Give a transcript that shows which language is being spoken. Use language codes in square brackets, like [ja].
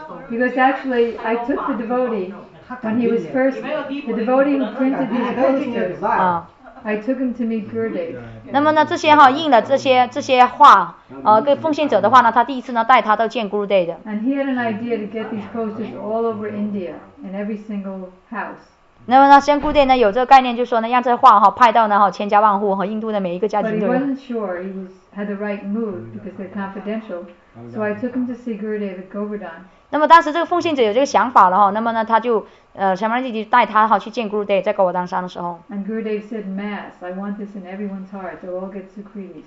[en] Because actually, I took the devotee when he was first. The devotee printed these posters. I took him to meet Gurudev. [zh] 那么呢，这些哈印的这些画，给奉献者的话呢，他第一次呢带他到见 Gurudev 的。 [en] And he had an idea to get these posters all over India in every single house. [zh] 那么呢，仙姑爹呢有这个概念，就说呢，让这画哈派到呢哈千家万户和印度的每一个家庭都有。 [en] But he wasn't sure he was had the right mood because they're confidential, so I took him to see Gurudev at Govardhan. [zh] 那么当时这个奉献者有这个想法了哈，那么呢他就Shyamalan Ji带他哈去见 Gurudev 在 Govardhan 山的时候。 [en] And Gurudev said mass, I want this in everyone's heart, they'll all get Sukriti.